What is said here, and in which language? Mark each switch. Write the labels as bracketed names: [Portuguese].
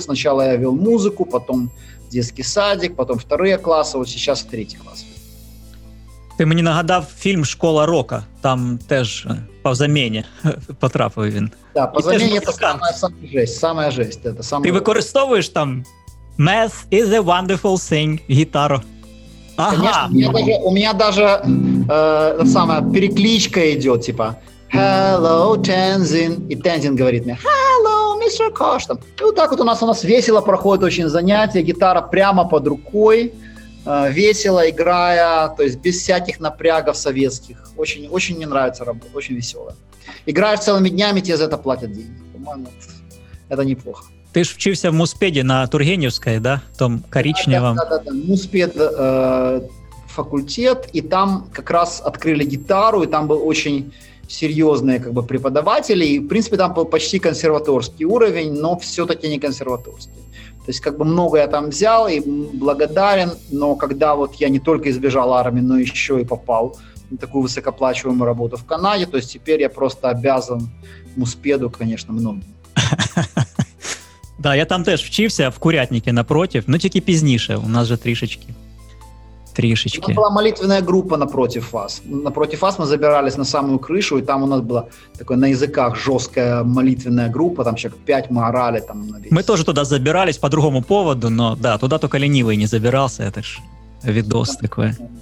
[Russian] Сначала я вел музыку, потом детский садик, потом вторые классы, вот сейчас третий класс. [Ukrainian] Ты мне нагадав фильм «Школа рока», там теж по замене потрапив він. [Russian] Да, по замене это самая жесть. Это самая... Ты використовуешь там [English] «Math is a wonderful thing», [Russian] гитару. Ага. Конечно, у меня даже самая перекличка идет, типа... Hello, Тензин. И Тензин говорит мне, hello, Mr. Kosh. И вот так вот у нас весело проходит очень занятие. Гитара прямо под рукой, весело играя, то есть без всяких напрягов советских. Очень, очень мне нравится работа, очень весело. Играешь целыми днями, тебе за это платят деньги. По-моему, это неплохо. [Ukrainian] Ты ж вчився в Муспеде на Тургеневской, да? [Russian] Том коричневом. Да. Муспед факультет, и там как раз открыли гитару, и там был очень серьезные как бы преподаватели, и в принципе там был почти консерваторский уровень, но все-таки не консерваторский. То есть как бы много я там взял и благодарен, но когда вот я не только избежал армии, но еще и попал на такую высокоплачиваемую работу в Канаде, то есть теперь я просто обязан Муспеду, конечно, многим. Да, я там тоже вчився, в курятнике напротив, но [Ukrainian] тільки пізніше, [Russian] у нас же трішечки. [Ukrainian] Трішечки. [Russian] У нас была молитвенная группа напротив вас. Напротив вас мы забирались на самую крышу, и там у нас была такая на языках жесткая молитвенная группа, там человек 5 мы орали там на весь. Мы тоже туда забирались по другому поводу, но да, туда только ленивый не забирался, это ж видос такой.